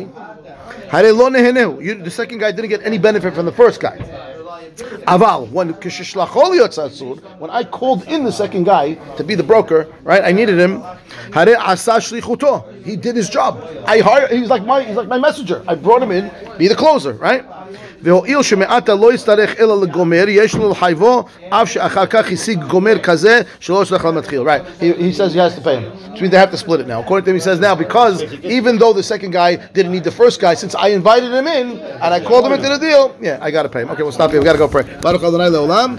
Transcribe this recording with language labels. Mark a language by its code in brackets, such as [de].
[en] The second guy didn't get any benefit from the first guy. Aval, when I called in the second guy to be the broker, right? I needed him. He did his job. He's like my messenger. I brought him in, be the closer, right? [he] והועיל שמעטה לא יצטרך אלא לגומר, יש לו לחייבו, אף שאחר כך השיג גומר כזה שלא יצטרך למתחיל. [en] Right. He says he has to pay him. Which means they have to split it now. According to him, he says now, because even though the second guy didn't need the first guy, since I invited him in and I called him into the deal, yeah, I got to pay him. Okay, we'll stop here. We got to go pray.